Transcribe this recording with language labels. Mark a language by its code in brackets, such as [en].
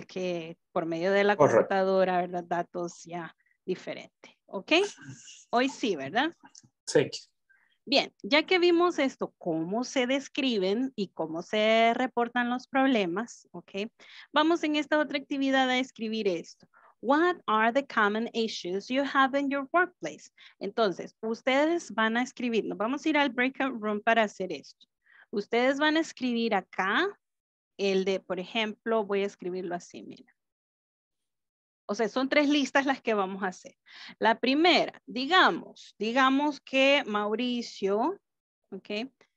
[es] El que por medio de la computadora, ¿verdad? Datos ya diferente, ¿ok? Hoy sí, ¿verdad? Sí. Bien, ya que vimos esto, cómo se describen y cómo se reportan los problemas, ¿ok? Vamos en esta otra actividad a escribir esto. [en] What are the common issues you have in your workplace? [es] Entonces, ustedes van a escribir, nos vamos a ir al breakout room para hacer esto. Ustedes van a escribir acá, el de, por ejemplo, voy a escribirlo así, mira. O sea, son tres listas las que vamos a hacer. La primera, digamos que Mauricio, ¿ok?